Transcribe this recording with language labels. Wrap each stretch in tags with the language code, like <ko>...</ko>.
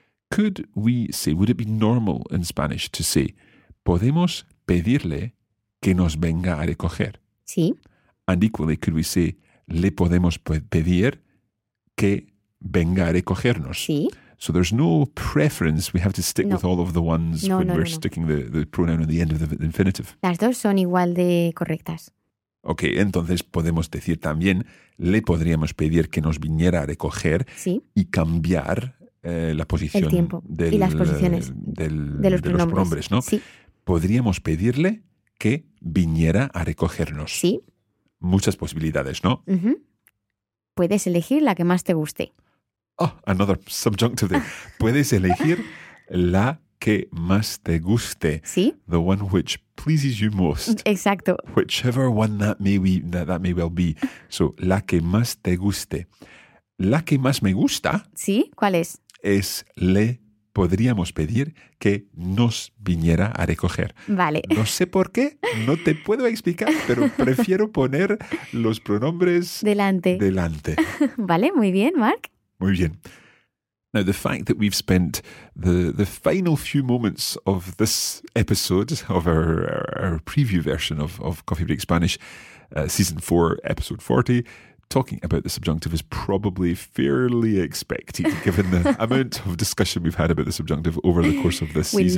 <en>Could we say, would it be normal in Spanish to say,</en> <es>podemos pedirle que nos venga a recoger? Sí.</es> <en>And equally, could we say,</en> <es>le podemos pedir que venga a recogernos? Sí.</es> <en>So there's no preference. We have to stick with all of the ones sticking the pronoun at the end of the infinitive.</en> <es>Las dos son igual de correctas. Ok, entonces podemos decir también, le podríamos pedir que nos viniera a recoger y cambiar la posición el tiempo del, y las posiciones de los pronombres, ¿no? Sí. Podríamos pedirle que viniera a recogernos. Sí. Muchas posibilidades, ¿no? Puedes elegir la que más te guste.</es> <en>Oh, another subjunctive thing.</en> <es>Puedes elegir la que más te guste. Sí.</es> <en>The one which pleases you most.</en> <es>Exacto.</es> <en>Whichever one that may well be. So,</en> <es>la que más te guste. La que más me gusta. Sí, ¿cuál es? Es le podríamos pedir que nos viniera a recoger. Vale. No sé por qué, no te puedo explicar, pero prefiero poner los pronombres delante. Vale, muy bien, Mark. Muy bien.</es> <en>Now, the fact that we've spent the final few moments of this episode, of our preview version of Coffee Break Spanish, season 4, episode 40, talking about the subjunctive is probably fairly expected, given the amount of discussion we've had about the subjunctive over the course of this season.</en>